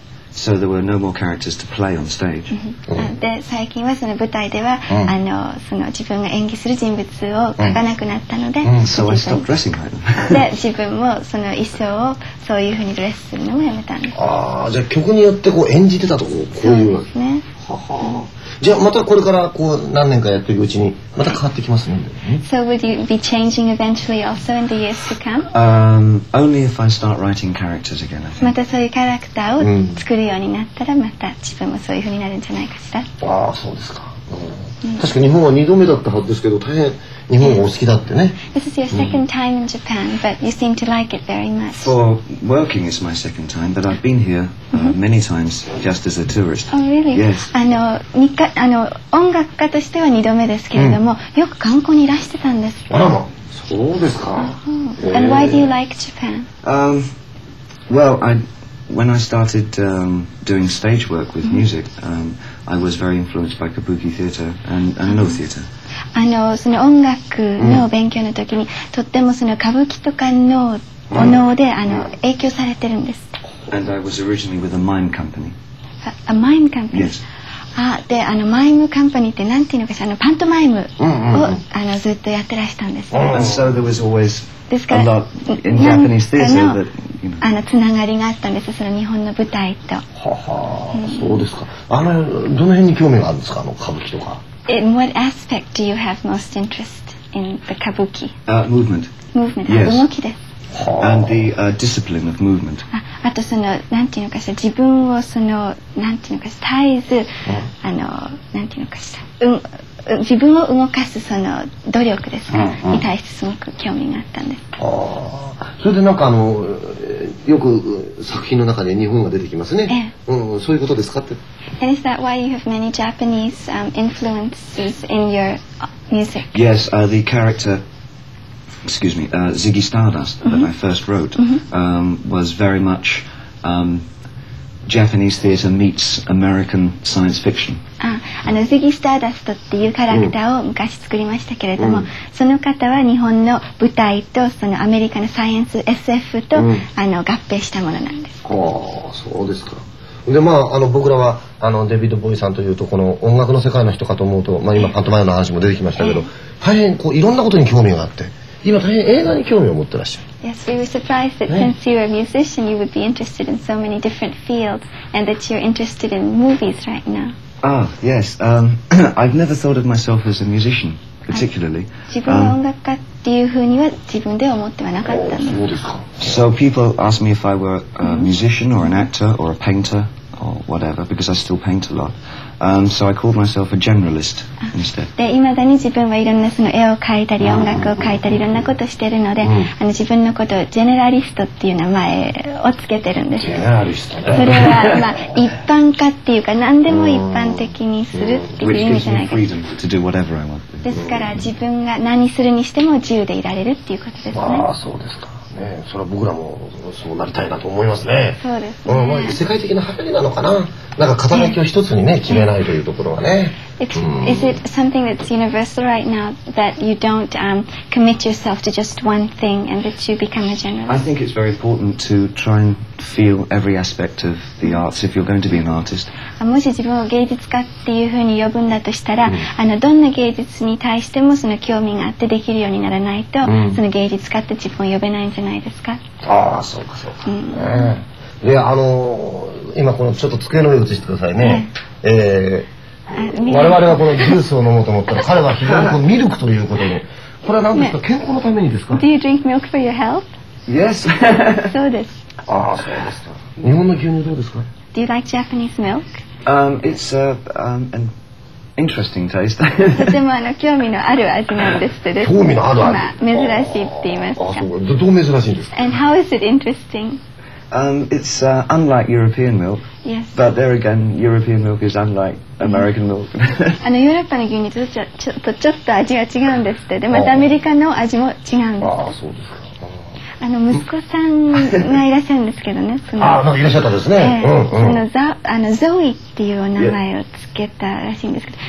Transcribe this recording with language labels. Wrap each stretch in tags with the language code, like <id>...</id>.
<en>So there were no more characters to play on stage.</en> <ja>で最近はその舞台では、あのその自分が演技する人物を描かなくなったので、</ja> <en>So I stopped dressing like them.</en> <ja>で自分もその衣装をそういうふうにドレスするのをやめたんです。ああ、じゃあ曲によってこう演じてたとこういう。そうですね。じゃあまたこれからこう何年かやっていくうちにまた変わってきますね。</ja> <en>So would you be changing eventually also in the years to come? Only if I start writing characters again.</en> <ja>またそういうキャラクターを作るようになったらまた自分もそういう風になるんじゃないかしら。ああそうですか。確か日本は2度目だったはずですけど大変日本がお好きだってね。</ja> <en>This is your second time in Japan, but you seem to like it very much. For working is my second time, but I've been here many times just as a tourist. Oh really? Yes.</en> <ja>あの音楽家としては2度目ですけれども、よく観光にいらしてたんです。あらま、そうですか。</ja> <en>And why do you like Japan? Well, when I started doing stage work with music, I was very influenced by kabuki theater and no theater.</en> <ja>あのその音楽の勉強の時に、とってもその歌舞伎とかの能で、あの影響されてるんです。</ja> <en>And I was originally with a mime company. A mime company? Yes.</en> <ja>で、あのマイムカンパニーってなんていうのかしら、あのパントマイムをあのずっとやってらしたんです。</ja> <en>And so there was always</en> <ja>ですから、</ja> <en>a lot in Japanese theater that, you know.</en> <ja>あのつながりがあったんです、その日本の舞台と。そうですか。あのどの辺に興味があるんですか、あの歌舞伎とか。</ja> <en>In what aspect do you have most interest in the kabuki? Movement. Movement. Yes.</en> <ja>動きです。</ja> <en>And the discipline of movement.</en> <ja>あとそのなんていうのかしら、自分をそのなんていうのかしら、絶えずあのなんていうのかしら、自分を動かすその努力ですか、に対してすごく興味があったんです。それでなんかあのよく作品の中で日本が出てきますね。そういうことですかって。</ja> <en>And is that why you have many Japanese influences in your music? Yes, the character. Excuse me, Ziggy Stardust that I first wrote was very much Japanese theater meets American science fiction.</en> <ja>あの、Ziggy Stardust っていうキャラクターを昔作りましたけれども、その方は日本の舞台とそのアメリカのサイエンス SF と、あの合併したものなんです。ああ、そうですか。でまあ、あの僕らはあのデビッド・ボーイさんというとこの音楽の世界の人かと思うと、まあ、今パントマイムの話も出てきましたけど、大変こういろんなことに興味があって。今大変映画に興味を持ってらっしゃる。</ja> <en>Yes, we were surprised that since you are a musician, you would be interested in so many different fields, and that you're interested in movies right now. Ah, yes. I've never thought of myself as a musician, particularly.</en> <ja>自分は音楽家っていうふうには自分で思ってはなかったんです。</ja> <en>So people ask me if I were a musician or an actor or a painter or whatever, because I still paint a lot. So I called myself a generalist instead.</en> <ja>で、未だに自分はいろんなその絵を描いたり音楽を描いたりいろんなことしてるので、あの自分のことをジェネラリストっていう名前をつけてるんです。ジェネラリストね。それはまあ一般化っていうか何でも一般的にするっていう意味じゃないか。</ja> <en>Which gives me freedom to do whatever I want.</en> <ja>ですから自分が何するにしても自由でいられるっていうことですね。まあそうですか。ね、それは僕らもそうなりたいなと思いますね。そうですね。まあ世界的な流行りなのかな。なんか肩書きを一つにね決めないというところはね。</ja> <en>Is it something that's universal right now that you don't commit yourself to just one thing and that you become a generalist? I think it's very important to try and feel every aspect of the arts if you're going to be an artist.</en> <ja>もし自分を芸術家っていうふうに呼ぶんだとしたら、mm. どんな芸術に対してもその興味があってできるようにならないと、mm. その芸術家って自分を呼べないんじゃないですか。ああ、そうかそうか。Mm. で、今このちょっと机の上映してくださいね。</ja> <en>Yeah.</en> <ja>我々はこのジュースを飲もうと思ったら、彼は非常にこのミルクということで、これは何ですか、健康のためにですか。</ja> <en>Do you drink milk for your health? Yes.</en> <ja>そうです。ああ、そうですか。日本の牛乳どうですか。</ja> <en>Do you like Japanese milk? It's an interesting taste.</en> <ja>とても興味のある味なんですってです。興味のある味。珍しいって言いますか。ああ、そうか。どう珍しいんですか。</ja> <en>And how is it interesting? It's unlike European milk. Yes. But there again, European milk is unlike American milk.</en> <ja>ヨーロッパの牛乳とちょっと味が違うんですって。で、またアメリカの味も違うんです。ああ、そうですか。息子さんがいらっしゃるんですけどね。そのああ、なんかいらっしゃったですね。ゾイっていうお名前をつけたらしいんですけど。</ja>